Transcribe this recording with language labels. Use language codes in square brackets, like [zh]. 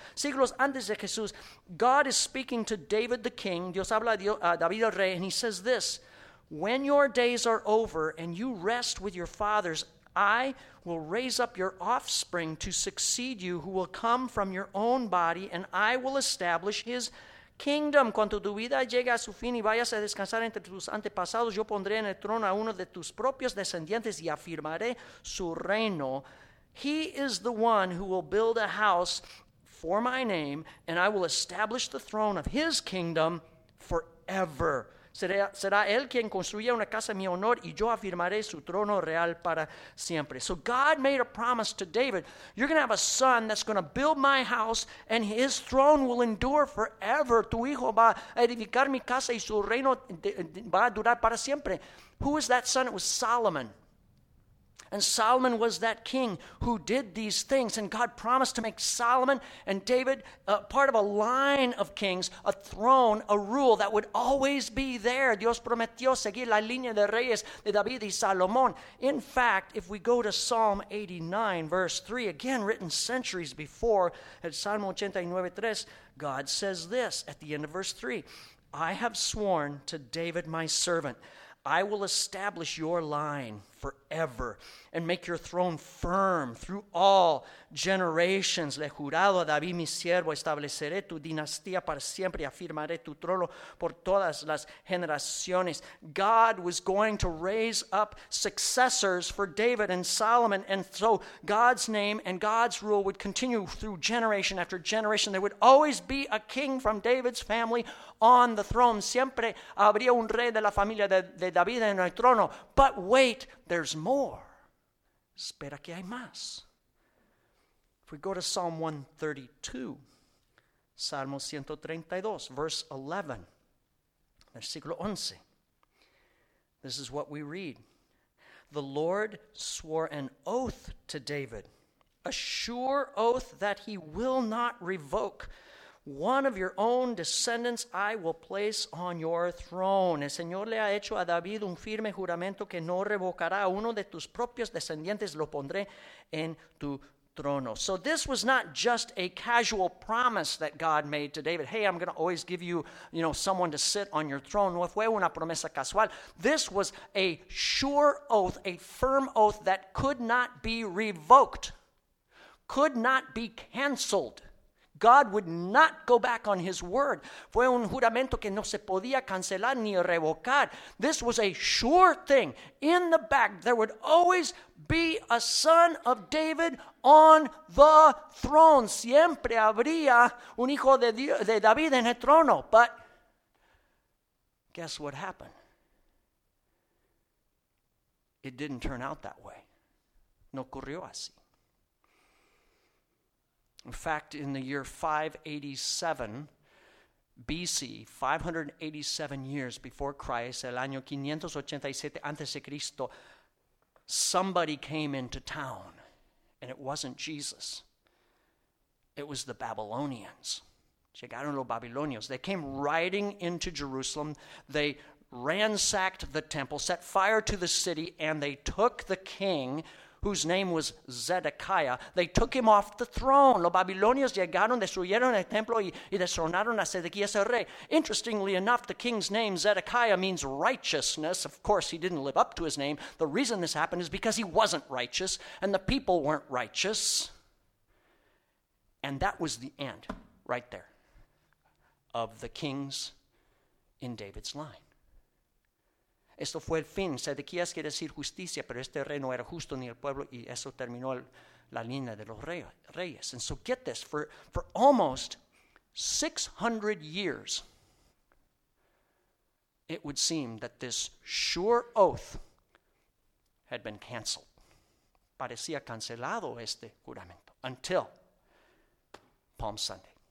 [es] Siglos antes de Jesús, [en] God is speaking to David the king. [es] Dios habla a David el rey, [en] and he says this, when your days are over and you rest with your fathers, I will raise up your offspring to succeed you, who will come from your own body, and I will establish his kingdom. [es] Cuando tu vida llegue a su fin y vayas a descansar entre tus antepasados, yo pondré en el trono a uno de tus propios descendientes y afirmaré su reino. [en] He is the one who will build a house for my name, and I will establish the throne of his kingdom forever. [es] Será él quien construya una casa en mi honor y yo afirmaré su trono real para siempre. [en] So God made a promise to David. You're going to have a son that's going to build my house and his throne will endure forever. [es] Tu hijo va a edificar mi casa y su reino va a durar para siempre. [en] Who was that son? It was Solomon. And Solomon was that king who did these things. And God promised to make Solomon and David part of a line of kings, a throne, a rule that would always be there. [es] Dios prometió seguir la línea de reyes de David y Salomón. [en] In fact, if we go to Psalm 89, verse 3, again written centuries before, at Psalm 89, 3, God says this at the end of verse 3, I have sworn to David my servant, I will establish your line forever and make your throne firm through all generations. [es] Le jurado a David, mi siervo, estableceré tu dinastía para siempre y afirmaré tu trono por todas las generaciones. [en] God was going to raise up successors for David and Solomon, and so God's name and God's rule would continue through generation after generation. There would always be a king from David's family on the throne. [es] Siempre habría un rey de la familia de David en el trono. [en] But wait, there's more. [es] Espera que hay más. [en] If we go to Psalm 132, [es] Salmo 132, [en] verse 11, [es] versículo 11, [en] this is what we read. The Lord swore an oath to David, a sure oath that he will not revoke. One of your own descendants I will place on your throne. [es] El Señor le ha hecho a David un firme juramento que no revocará. Uno de tus propios descendientes lo pondré en tu trono. [en] So this was not just a casual promise that God made to David. Hey, I'm going to always give you, you know, someone to sit on your throne. [es] No fue una promesa casual. [en] This was a sure oath, a firm oath that could not be revoked, could not be canceled. God would not go back on his word. [es] Fue un juramento que no se podía cancelar ni revocar. [en] This was a sure thing. In the back, there would always be a son of David on the throne. [es] Siempre habría un hijo de Dios, de David en el trono. [en] But guess what happened? It didn't turn out that way. [es] No ocurrió así. [en] In fact, in the year 587 BC, 587 years before Christ, [es] el año 587 antes de Cristo, [en] somebody came into town, and it wasn't Jesus. It was the Babylonians. [es] Llegaron los Babilonios. [en] They came riding into Jerusalem. They ransacked the temple, set fire to the city, and they took the king, whose name was Zedekiah. They took him off the throne. [es] Los Babilonios llegaron, destruyeron el templo y destronaron a Zedekiah, el rey. [en] Interestingly enough, the king's name, Zedekiah, means righteousness. Of course, he didn't live up to his name. The reason this happened is because he wasn't righteous and the people weren't righteous. And that was the end, right there, of the kings in David's line. [es] Esto fue el fin. Sedequías quiere decir justicia, pero este rey no era justo ni el pueblo, y eso terminó la línea de los reyes. [en] And so get this, for almost 600 years, it would seem that this sure oath had been canceled. [es] Parecía cancelado este juramento. [en] Until Palm Sunday.